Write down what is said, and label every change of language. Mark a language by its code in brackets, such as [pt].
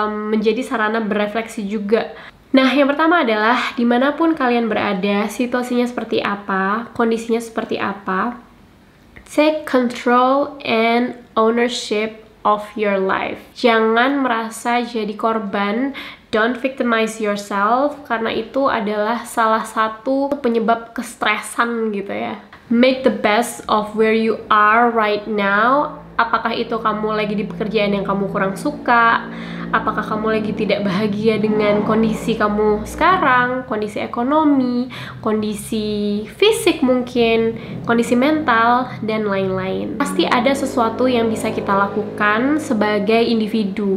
[id] Menjadi sarana berefleksi juga. Nah, yang pertama adalah dimanapun kalian berada, situasinya seperti apa, kondisinya seperti apa, take control and ownership of your life. Jangan merasa jadi korban. Don't victimize yourself, karena itu adalah salah satu penyebab kestresan gitu ya. [en] Make the best of where you are right now. [id] Apakah itu kamu lagi di pekerjaan yang kamu kurang suka? Apakah kamu lagi tidak bahagia dengan kondisi kamu sekarang? Kondisi ekonomi, kondisi fisik mungkin, kondisi mental, dan lain-lain. Pasti ada sesuatu yang bisa kita lakukan sebagai individu.